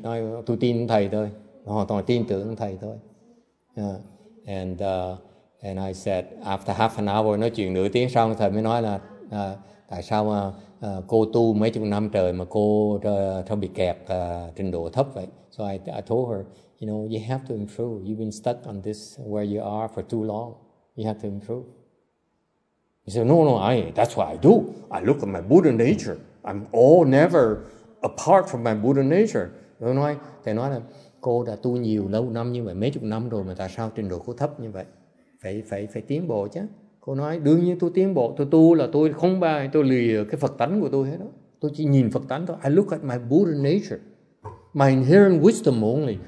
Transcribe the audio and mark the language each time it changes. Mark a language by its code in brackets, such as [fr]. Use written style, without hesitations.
[vi] Nói, tôi tin thầy thôi. Hoàn toàn tin tưởng thầy thôi. [en] And I said, after half an hour, [vi] nói chuyện nửa tiếng xong, thầy mới nói là tại sao cô tu mấy chục năm trời mà cô bị kẹt trình độ thấp vậy? [en] So I told her, you know, you have to improve. You've been stuck on this where you are for too long. You have to improve. He said, no, that's what I do. I look at my Buddha nature. I'm all never apart from my Buddha nature. [vi] Thầy nói là cô đã tu nhiều lâu năm như vậy, mấy chục năm rồi mà tại sao trình độ cô thấp như vậy? Phải tiến bộ chứ. Cô nói đương nhiên tôi tiến bộ, tôi tu là tôi không bài, tôi lìa cái Phật tánh của tôi hết đó. Tôi chỉ nhìn Phật tánh thôi. [en] I look at my Buddha nature. My inherent wisdom only.